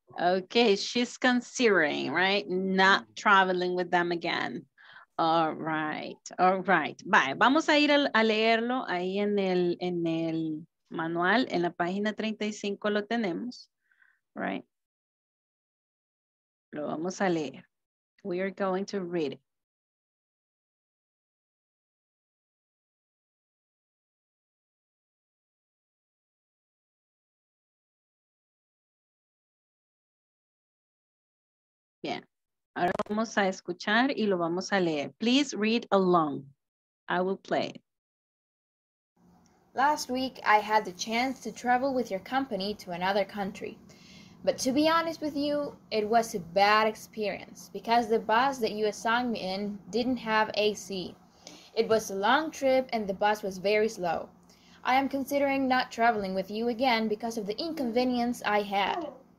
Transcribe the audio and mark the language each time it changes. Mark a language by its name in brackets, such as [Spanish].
[English] Okay, she's considering, right, not traveling with them again. All right. Bye. [Spanish] Vamos a ir a leerlo ahí en el manual, en la página 35 lo tenemos. Right. Lo vamos a leer. We are going to read it. Yeah. Ahora vamos a escuchar y lo vamos a leer. [English] Please read along. I will play. Last week, I had the chance to travel with your company to another country. But to be honest with you, it was a bad experience because the bus that you assigned me in didn't have AC. It was a long trip and the bus was very slow. I am considering not traveling with you again because of the inconvenience I had.